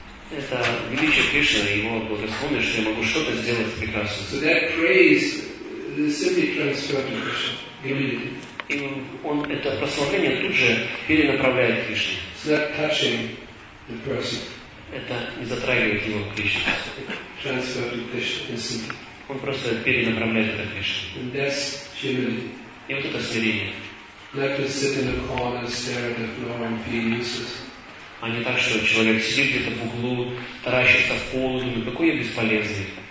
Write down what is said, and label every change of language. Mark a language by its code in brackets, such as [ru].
[ru] Это величие Кришны, Его благословение, что я могу что-то сделать прекрасное. [en] So that praise is simply transferred to Krishna. [ru] И он, это прославление тут же перенаправляет Кришне. [en] So that touching the person. [ru] Это не затрагивает его Кришне. [en] Transferred to Krishna instantly. [ru] Он просто перенаправляет это Кришне. И вот это смирение. [en] Like to sit in a corner, stare at the floor and feel useless. [ru] а не так, что человек сидит где-то в углу, таращится в пол, думает, какой я бесполезный.